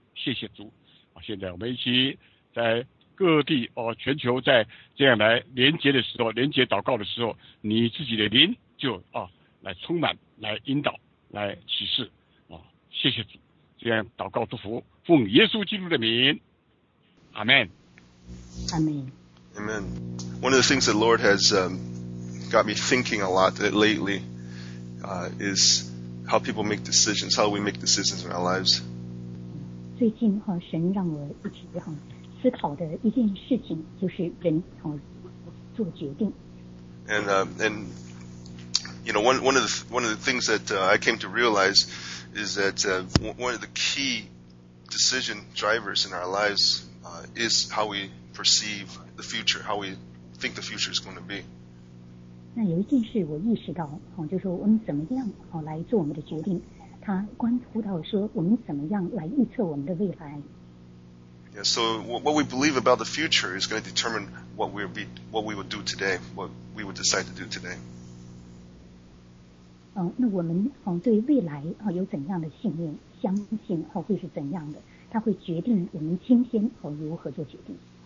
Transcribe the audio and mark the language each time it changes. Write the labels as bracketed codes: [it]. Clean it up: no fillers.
[zh] 谢谢主，现在我们一起在各地全球在这样来连结的时候，连结祷告的时候，你自己的灵就来充满，来引导，来启示啊！谢谢主，这样祷告祝福，奉耶稣基督的名，阿门。阿门。 [en] Amen. One of the things the Lord has got me thinking a lot lately is how people make decisions, how we make decisions in our lives. [zh] 最近哈，神让我一起哈思考的一件事情就是人哈做决定。 [en] And you know, one of the things that I came to realize is that one of the key decision drivers in our lives is how we perceive the future, how we think the future is going to be. [zh] 那有一件事我意识到，就是说我们怎么样来做我们的决定，它关乎到说我们怎么样来预测我们的未来。 [en] Yeah, so what we believe about the future is going to determine what we will do today, what we will decide to do today. [zh] 那我们对未来有怎样的信念，相信会是怎样的，它会决定我们今天如何做决定。